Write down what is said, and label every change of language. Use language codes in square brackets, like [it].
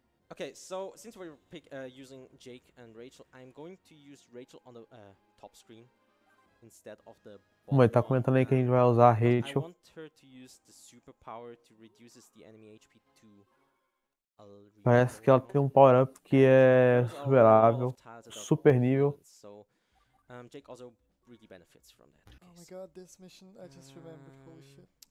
[en] Okay, so since we're using Jake and Rachel, I'm going to use Rachel on the top screen instead of the bomb. [pt] Mas tá comentando aí que a gente vai usar a Rachel. [en] I want her to use the superpower to reduce the enemy HP to a level. [pt] Parece que ela tem um power up que é superável, super nível. [en] So, Jake also really benefits from that. Oh my god, this mission, I just remembered, holy shit.